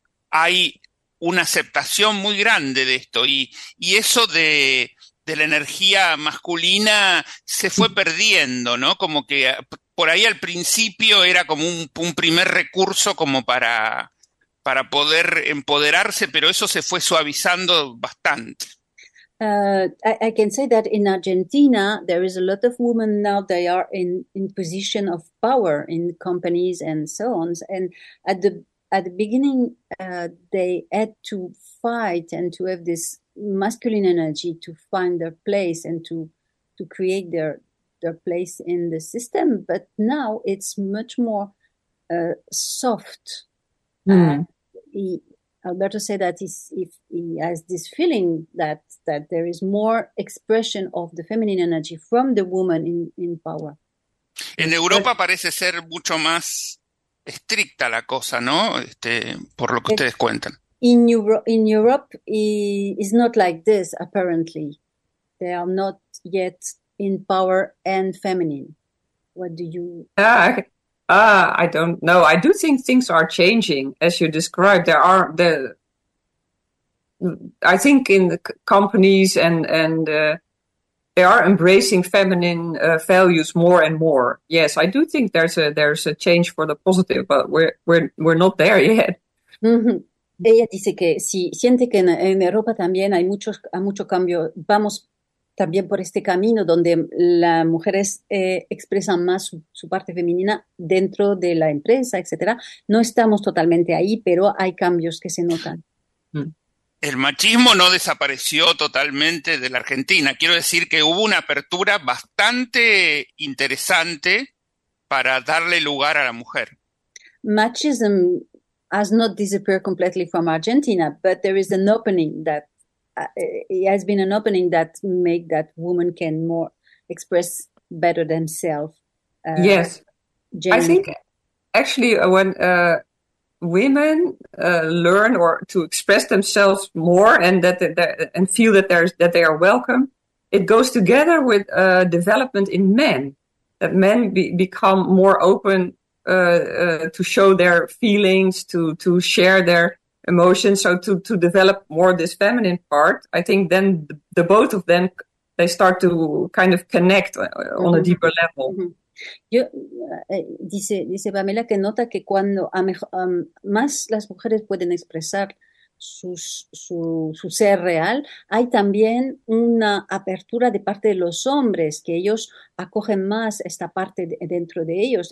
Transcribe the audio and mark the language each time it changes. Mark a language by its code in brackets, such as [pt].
[es] Hay una aceptación muy grande de esto y eso de la energía masculina se fue perdiendo, ¿no? Como que por ahí al principio era como un primer recurso como para poder empoderarse, pero eso se fue suavizando bastante. [en] I can say that in Argentina, there is a lot of women now, they are in position of power in companies and so on. And at the beginning, they had to fight and to have this masculine energy to find their place and to create their place in the system. But now it's much more soft. Alberto said that he has this feeling that there is more expression of the feminine energy from the woman in power. [es] En Europa parece ser mucho más estricta la cosa, ¿no? Por lo que ustedes cuentan. [en] In Europe, it's not like this, apparently. they are not yet in power and feminine. What do you? I don't know. I do think things are changing, as you described. There are the. I think in the companies and they are embracing feminine values more and more. Yes, I do think there's a change for the positive, but we're not there yet. [es] Ella dice que si siente que en Europa también hay mucho cambio, vamos también por este camino donde las mujeres expresan más su parte femenina dentro de la empresa, etcétera. No estamos totalmente ahí, pero hay cambios que se notan. El machismo no desapareció totalmente de la Argentina. Quiero decir que hubo una apertura bastante interesante para darle lugar a la mujer. [en] Machism has not disappeared completely from Argentina, but there is an opening that has been an opening that make that woman can more express better themselves. Yes, gender. I think actually when women learn or to express themselves more and that and feel that they are welcome, it goes together with development in men, that men become more open to show their feelings, to share their emotions, so to develop more this feminine part. I think then the both of them, they start to kind of connect on a deeper level. [es] Yo, dice Pamela que nota que cuando más las mujeres pueden expresar su ser real, hay también una apertura de parte de los hombres, que ellos acogen más esta parte dentro de ellos.